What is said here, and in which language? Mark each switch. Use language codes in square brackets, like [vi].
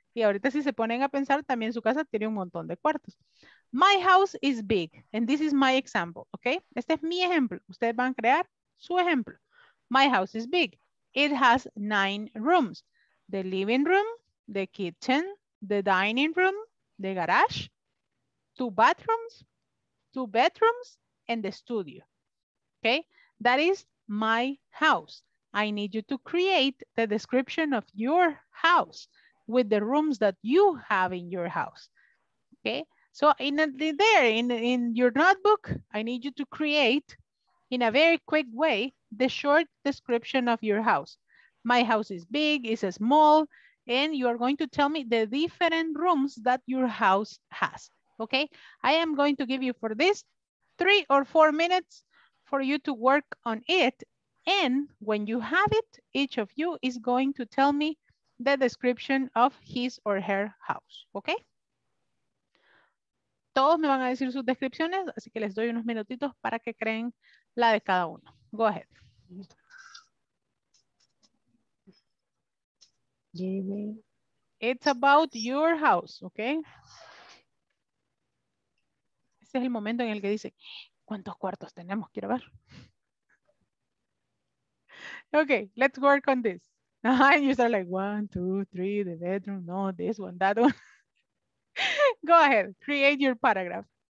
[es] Y ahorita si se ponen a pensar, también su casa tiene un montón de cuartos. [en] My house is big and this is my example, okay? [es] Este es mi ejemplo. Ustedes van a crear su ejemplo. [en] My house is big. It has 9 rooms. The living room, the kitchen, the dining room, the garage, 2 bathrooms, 2 bedrooms, and the studio. Okay, that is my house. I need you to create the description of your house with the rooms that you have in your house. Okay, so in your notebook, I need you to create in a very quick way the short description of your house. My house is big, it's small, and you are going to tell me the different rooms that your house has, okay? I am going to give you for this 3 or 4 minutes for you to work on it. And when you have it, each of you is going to tell me the description of his or her house, okay? [es] Todos me van a decir sus descripciones, así que les doy unos minutitos para que creen la de cada uno. [en] Go ahead. It's about your house, okay? [es] Este es el momento en el que dice, ¿cuántos cuartos tenemos? Quiero ver. [en] Okay, let's work on this. And you start like 1, 2, 3, the bedroom, no, this one, that one. Go ahead, create your paragraph.